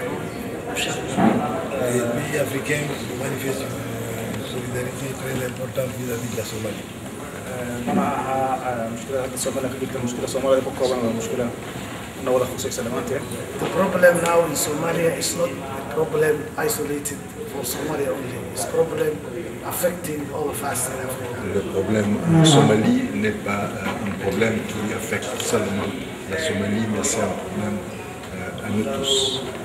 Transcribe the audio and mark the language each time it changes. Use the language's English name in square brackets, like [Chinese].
[French] Les pays africains manifestent une solidarité très importante vis-à-vis de la Somalie. [English] The problem now in Somalia is not a problem isolated for Somalia only. It's a problem affecting all of us in Africa. [French] Le problème en Somalie n'est pas un problème qui affecte seulement la Somalie, mais c'est un problème à nous tous.